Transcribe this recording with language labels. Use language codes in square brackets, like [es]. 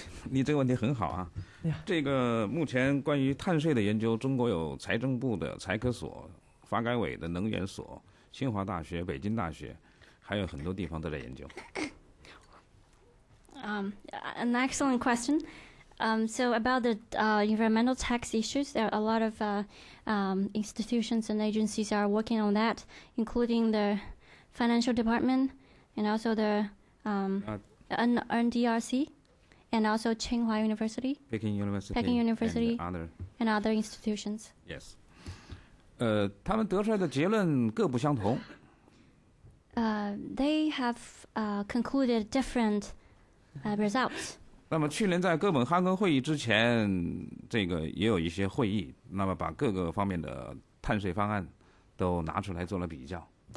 [zh] 你这个问题很好啊。这个目前关于碳税的研究，中国有财政部的财科所、发改委的能源所、清华大学、北京大学，还有很多地方都在研究。 [en] An excellent question. So about the environmental tax issues, there are a lot of institutions and agencies are working on that, including the financial department and also the NDRC and also Tsinghua University, Peking University and other institutions. Yes. [zh] 他们得出来的结论各不相同。 [en] They have concluded different results. [zh] 那么去年在哥本哈根会议之前，这个也有一些会议，那么把各个方面的碳税方案都拿出来做了比较。